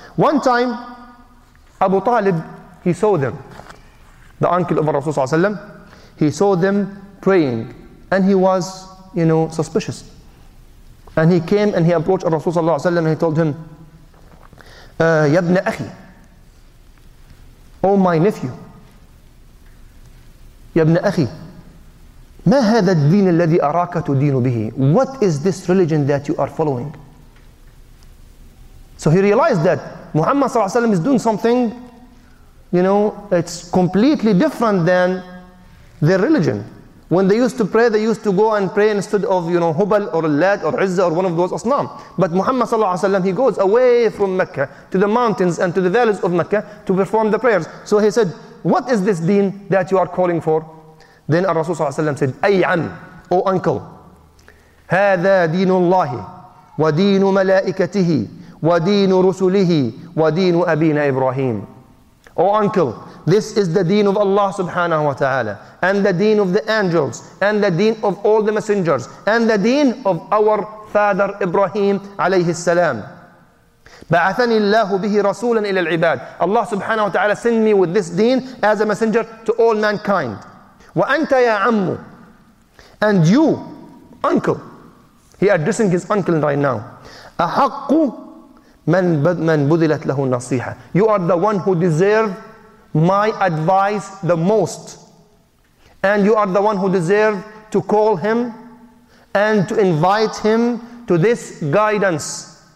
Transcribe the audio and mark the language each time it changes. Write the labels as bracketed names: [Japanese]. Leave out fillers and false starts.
[English] One time, Abu Talib, he saw them, the uncle of Rasul, he saw them praying and he was, you know, suspicious. And he came and he approached Rasul and he told him, Yabna Akhi, oh my nephew. [Arabic] يَبْنَ أَخِي مَا هَذَا الدِّينَ الَّذِي أَرَاكَ تُدِينُ بِهِ. [English] What is this religion that you are following? So he realized that Muhammad صلى الله عليه وسلم is doing something, you know, it's completely different than their religion. When they used to pray, they used to go and pray instead of, you know, Hubal or Lat or Izzah or one of those Asnam. But Muhammad صلى الله عليه وسلم, he goes away from Mecca to the mountains and to the valleys of Mecca to perform the prayers. So he said, what is this deen that you are calling for? [Arabic] Then Rasul صلى الله عليه وسلم said, أي عم, [English] O uncle, [Arabic] هذا دين الله ودين ملائكته ودين رسله ودين أبينا إبراهيم. [English] O uncle, this is the deen of Allah subhanahu wa ta'ala, and the deen of the angels, and the deen of all the messengers, and the deen of our father Ibrahim عليه السلام. [Arabic] بعثني الله به رسولا إلى العباد. [English] Allah subhanahu wa ta'ala send me with this deen as a messenger to all mankind. [Arabic] وأنت يا عم, [English] and you, uncle, he addressing his uncle right now, [Arabic] أحق من بذلت له النصيحة. [English] You are the one who deserve my advice the most, and you are the one who deserve to call him and to invite him to this guidance.